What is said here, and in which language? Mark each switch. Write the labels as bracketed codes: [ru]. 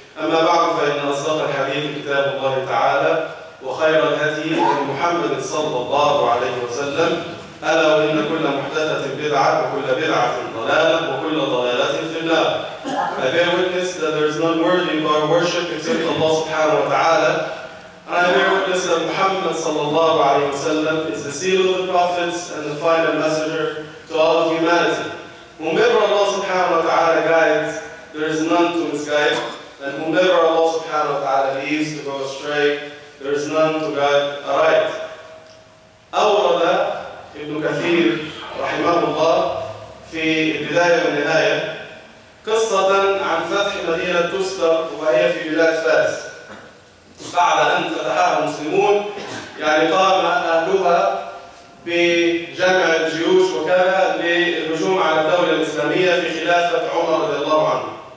[ar] اما بعد فان اصدق الحديث كتاب الله تعالى وخير الهدي محمد صلى الله عليه وسلم الا وان كل محدثه بدعه وكل بدعه ضلاله وكل ضلاله في النار. [en] I bear witness that there is none worthy of our worship except Allah subhanahu wa ta'ala. And I bear witness that Muhammad sallallahu alayhi wa sallam is the seal of the prophets and the final messenger to all of humanity. Whomever Allah subhanahu wa ta'ala guides, there is none to misguide. And whomever Allah subhanahu wa ta'ala leaves to go astray, there is none to guide aright. [ar] Awrada ibn Kathir rahimahullah fi al-bidaya wa al-nihaya قصة عن فتح مدينة تستر وهي في بلاد فاس. بعد أن فتحها المسلمون يعني قام أهلها بجمع الجيوش وكذا للهجوم على الدولة الإسلامية في خلافة عمر رضي الله عنه.